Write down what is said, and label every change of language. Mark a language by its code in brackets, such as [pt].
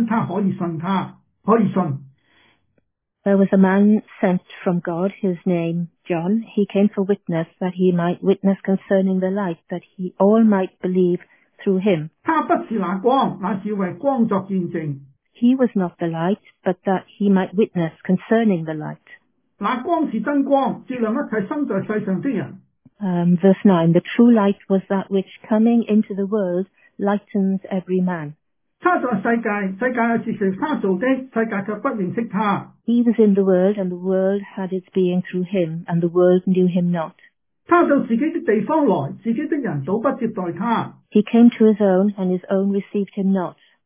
[zh] 有个人从神那里来，差来的名叫约翰，这人来是为要作见证，就是为光作见证，叫人因他可以信他，可以信。 [en] There was a man sent from God, his name John. He came for witness, that he might witness concerning the light, that he all might believe through him. [zh] 他不是那光，那是为光作见证。 [en] He was not the light, but that he might witness concerning the light. [zh] 那光是真光，照亮一切生在世上的人。 [en] Verse 9, the true light was that which coming into the world lightens every man. [zh] 他在世界，世界是他造的，世界却不认识他。 [en] He was in the world, and the world had its being through him, and the world knew him not. [zh] 他到自己的地方来，自己的人倒不接待他。 [en] He came to his own, and his own received him not.